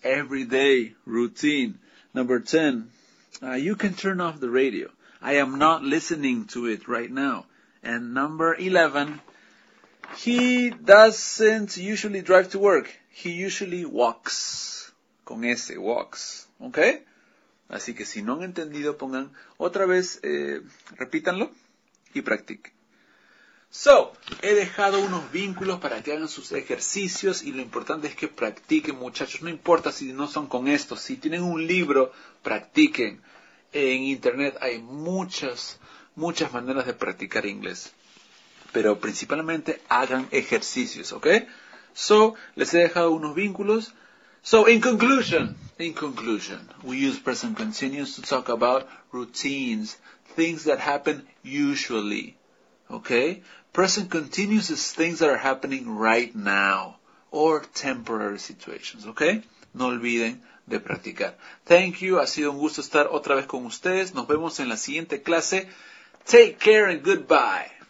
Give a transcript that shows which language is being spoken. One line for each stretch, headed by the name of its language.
English: Every day routine. Number 10. You can turn off the radio. I am not listening to it right now. And number 11. He doesn't usually drive to work. He usually walks.
Spanish: Con ese,
English: walks. Okay?
Spanish: Así que si no han entendido, pongan otra vez, repítanlo y practiquen. So, he dejado unos vínculos para que hagan sus ejercicios y lo importante es que practiquen, muchachos. No importa si no son con esto. Si tienen un libro, practiquen. En internet hay muchas, muchas maneras de practicar inglés. Pero principalmente hagan ejercicios, ¿ok? So, les he dejado unos vínculos.
English: So, in conclusion, we use present continuous to talk about routines, things that happen usually, okay? Present continuous is things that are happening right now, or temporary situations, okay?
Spanish: No olviden de practicar.
English: Thank you,
Spanish: ha sido un gusto estar otra vez con ustedes. Nos vemos en la siguiente clase.
English: Take care and goodbye.